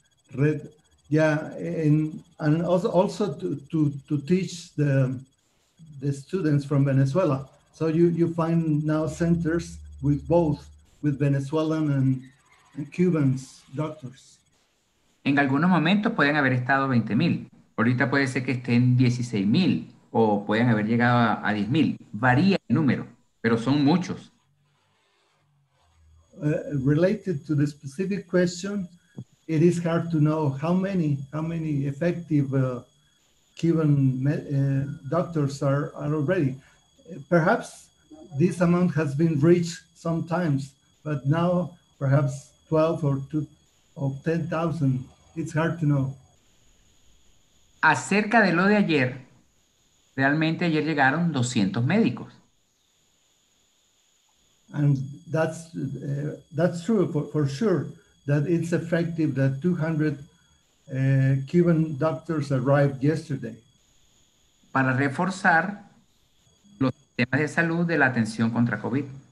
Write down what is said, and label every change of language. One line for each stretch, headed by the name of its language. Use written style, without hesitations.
English: Red, yeah, and also to teach the students from Venezuela. So you find now centers with both, with Venezuelan and Cubans doctors.
Spanish: En algunos momentos pueden haber estado 20.000. Ahorita puede ser que estén 16.000 o pueden haber llegado a 10.000. Varía el número, pero son muchos.
English: Related to the specific question, it is hard to know how many effective Cuban doctors are already. Perhaps this amount has been reached sometimes, but now perhaps 12 or 2 or 10,000. It's hard to know.
Spanish: Acerca de lo de ayer, realmente ayer llegaron 200 médicos.
English: And that's true for sure that it's effective that 200 Cuban doctors arrived yesterday.
Spanish: Para reforzar los sistemas de salud de la atención contra COVID.